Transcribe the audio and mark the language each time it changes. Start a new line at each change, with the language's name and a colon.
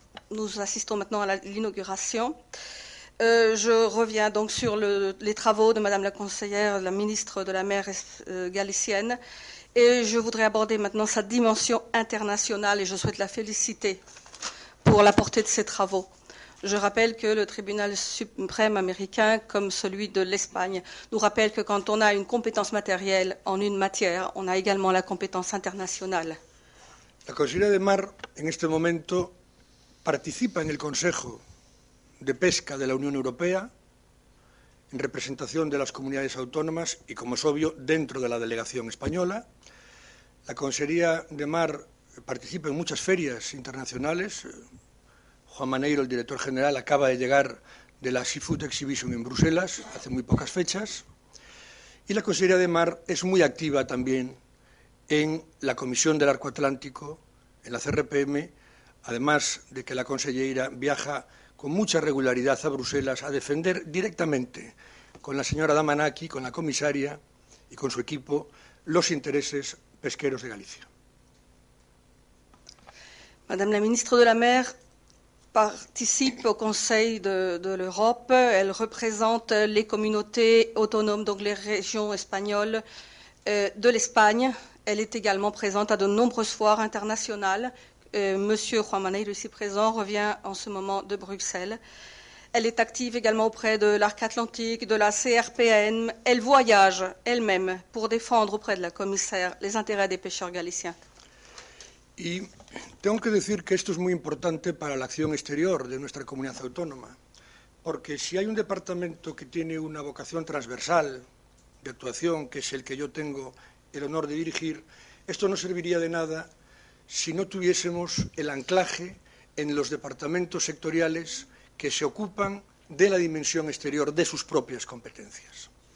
French: Nous assistons maintenant à l'inauguration. Je reviens donc sur les travaux de Madame la conseillère, la ministre de la mer galicienne, et je voudrais aborder maintenant sa dimension internationale et je souhaite la féliciter pour la portée de ses travaux. Je rappelle que le tribunal suprême américain, comme celui de l'Espagne, nous rappelle que quand on a une compétence matérielle en une matière, on a également la compétence internationale. La conseillère de Mar,
Spanish: en este momento, participa en el Consejo de Pesca de la Unión Europea, en representación de las comunidades autónomas y, como es obvio, dentro de la delegación española. La Consejería de Mar participa en muchas ferias internacionales. Juan Maneiro, el director general, acaba de llegar de la Seafood Exhibition en Bruselas, hace muy pocas fechas. Y la Consejería de Mar es muy activa también en la Comisión del Arco Atlántico, en la CRPM, además de que la consellera viaja con mucha regularidad a Bruselas a defender directamente con la señora Damanaki, con la comisaria y con su equipo, los intereses pesqueros de Galicia.
French: Madame la ministre de la Mer participe au Conseil de l'Europe. Elle représente les communautés autonomes, donc les régions espagnoles de l'Espagne. Elle est également présente à de nombreuses foires internationales. Monsieur Juan Maneiro, ici présent, revient en ce moment de Bruxelles. Elle est active également auprès de l'Arc Atlantique, de la CRPN. Elle voyage elle-même pour défendre auprès de la commissaire les intérêts des pêcheurs galiciens.
Spanish: Y tengo que decir que esto es muy importante para la acción exterior de nuestra comunidad autónoma, porque si hay un departamento que tiene una vocación transversal de actuación, que es el que yo tengo el honor de dirigir, esto no serviría de nada si no tuviésemos el anclaje en los departamentos sectoriales que se ocupan de la dimensión exterior de sus propias competencias.